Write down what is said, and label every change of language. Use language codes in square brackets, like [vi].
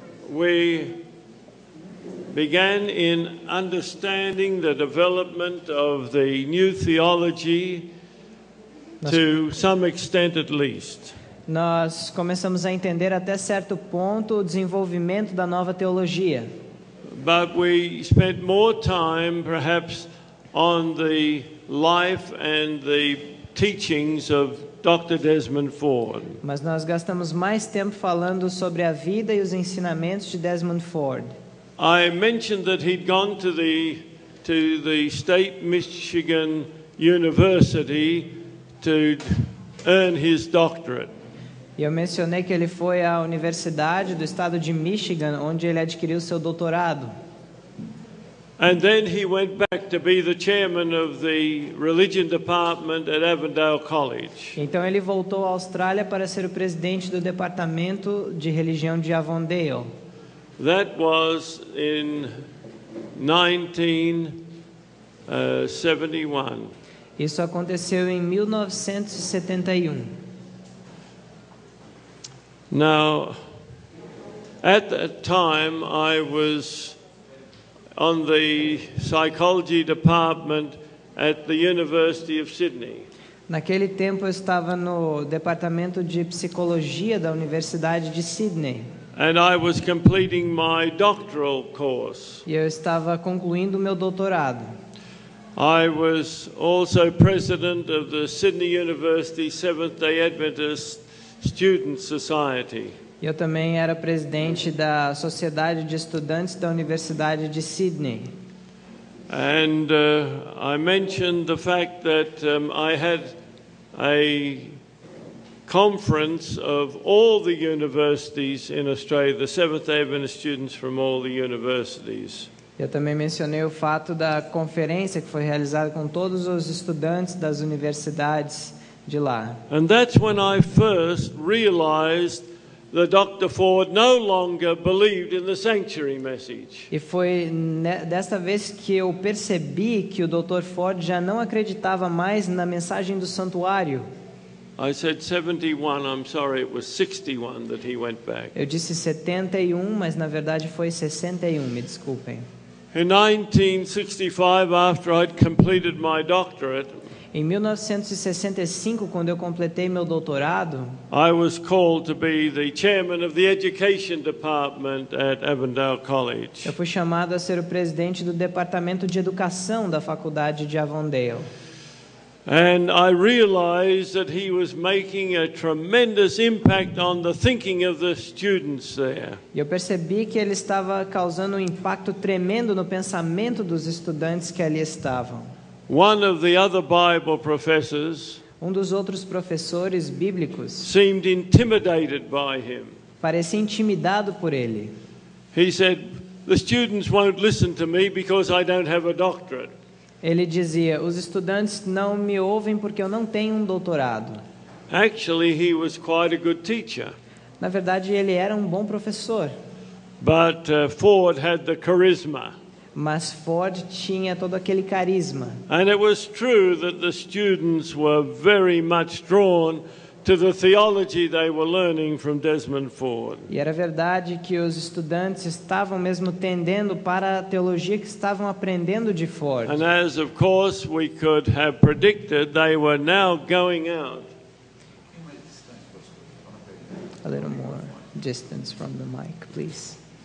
[en] we began in understanding the development of the new theology to some extent at least. [pt] Nós começamos a entender até certo ponto o desenvolvimento da nova teologia. [en] But we spent more time perhaps on the life and the teachings of Dr. Desmond Ford. [pt] Mas nós gastamos mais tempo falando sobre a vida e os ensinamentos de Desmond Ford. [en] I mentioned that he'd gone to the State Michigan University to earn his doctorate. [pt] E eu mencionei que ele foi à Universidade do Estado de Michigan, onde ele adquiriu seu doutorado. [en] And then he went back to be the chairman of the religion department at Avondale College. [pt] Então ele voltou à Austrália para ser o presidente do departamento de religião de Avondale. [en] That was in 1971. [pt] Isso aconteceu em 1971. [en] Now, at that time, I was on the psychology department at the University of Sydney. [pt] Naquele tempo, eu estava no departamento de psicologia da Universidade de Sydney. [en] And I was completing my doctoral course. [pt] E eu estava concluindo meu doutorado. [en] I was also president of the Sydney University Seventh-day Adventist Student Society. [pt] Eu também era presidente da Sociedade de Estudantes da Universidade de Sydney. [en] And I mentioned the fact that I had a conference of all the universities in Australia, the Seventh-day Adventist students from all the universities. [pt] Eu também mencionei o fato da conferência que foi realizada com todos os estudantes das universidades. [en] And that's when I first realized that Dr. Ford no longer believed in the sanctuary message. [pt] E foi desta vez que eu percebi que o Dr. Ford já não acreditava mais na mensagem do santuário. [en] I said 71, I'm sorry, it was 61 that he went back. [pt] Eu disse 71, mas na verdade foi 61, me desculpem. [en] In 1965, after I'd completed my doctorate, [pt] em 1965, quando eu completei meu doutorado, [en] I was called to be the chairman of the education department at Avondale College. [pt] Eu fui chamado a ser o presidente do departamento de educação da faculdade de Avondale. [en] And I realized that he was making a tremendous impact on the thinking of the students there. [pt] Eu percebi que ele estava causando um impacto tremendo no pensamento dos estudantes que ali estavam. [en] One of the other Bible professors, [pt] um dos outros professores bíblicos, [en] seemed intimidated by him. [pt] Parecia intimidado por ele. [en] He said, "The students won't listen to me because I don't have a doctorate." [pt] Ele dizia, "Os estudantes não me ouvem porque eu não tenho um doutorado." [en] Actually, he was quite a good teacher. [pt] Na verdade, ele era um bom professor. [en] But Ford had the charisma. [pt] Mas Ford tinha todo aquele carisma. [en] And it was true that the students were very much drawn to the theology they were learning from Desmond Ford. [pt] E era verdade que os estudantes estavam mesmo tendendo para a teologia que estavam aprendendo de Ford. [en] And as of course we could have predicted, they were now going out. A little more distance from the mic, please.